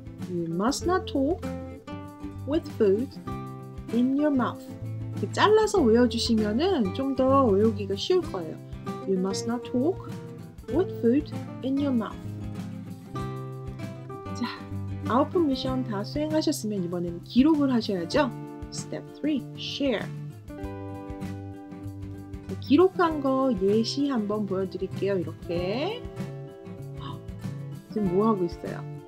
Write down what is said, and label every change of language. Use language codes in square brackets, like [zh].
[en] You must not talk with food in your mouth. [ko] 잘라서 외워주시면은 좀 더 외우기가 쉬울 거예요. [en] You must not talk with food in your mouth. [ko] 자, 아웃풋 미션 다 수행하셨으면 이번에는 기록을 하셔야죠. [en] Step 3, share. [ko] 기록한 거 예시 한번 보여드릴게요. 이렇게. 지금 뭐 하고 있어요?